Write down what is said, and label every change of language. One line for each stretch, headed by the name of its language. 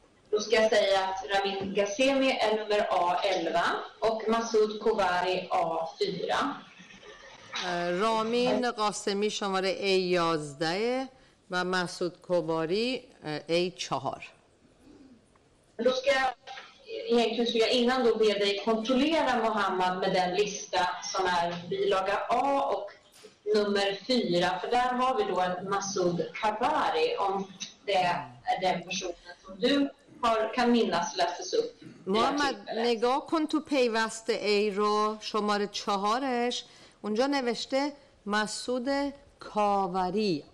Swedish: Då ska jag säga att Ramin Ghassemi är nummer A11 och Masoud Kovari A4.
Persian: رامین قاسمی شماره A11 و مسعود کوباری A4.
Swedish: Då ska jag egentligen innan då be dig kontrollera Mohammad med den lista som är bilaga A och nummer 4, för där har vi då en Masoud Kovari, om det är den personen som du har, kan minnas läses upp.
Persian: Mohammad, نگاه کن تو پیوست A رو شماره 4ش. اونجا نوشته مسعود کاوری.